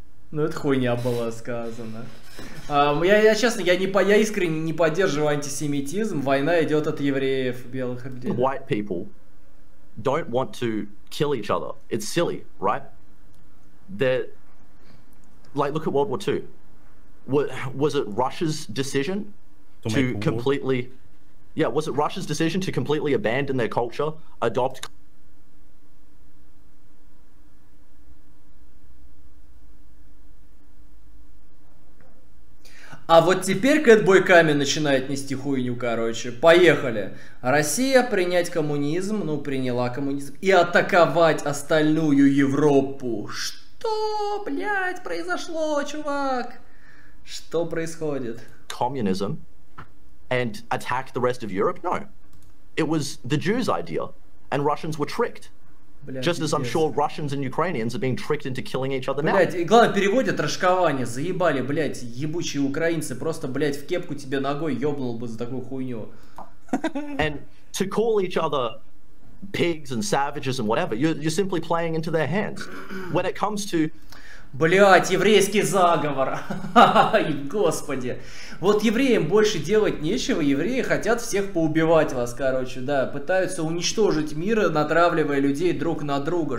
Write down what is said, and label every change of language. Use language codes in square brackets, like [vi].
[ru] Ну, это хуйня была сказана. Я честно, я искренне не поддерживаю антисемитизм. Война идет от евреев, белых людей. [en] White people don't want to kill each other. It's silly, right? They're... Like, look at World War II. Was it Russia's decision to completely... War? Yeah, was it Russia's decision to completely abandon their culture, adopt... [ru] А вот теперь Кэтбой Камми начинает нести хуйню, короче. Поехали. Россия принять коммунизм, ну, приняла коммунизм, и атаковать остальную Европу. Что, блядь, произошло, чувак? Что происходит? [en] Communism and attack the rest of Europe? No. It was the Jews' idea, and Russians were tricked. Блядь, just as I'm sure Russians and Ukrainians are being tricked into killing each other now. [ru] Блядь, и главное, переводят рашкование. Заебали, блядь, ебучие украинцы. Просто, блядь, в кепку тебе ногой ёбнул бы за такую хуйню. [en] And to call each other pigs and savages and whatever, you're simply playing into their hands. When it comes to... [ru] Блять, еврейский заговор. Господи. Вот евреям больше делать нечего. Евреи хотят всех поубивать вас, короче, да. Пытаются уничтожить мир, натравливая людей друг на друга.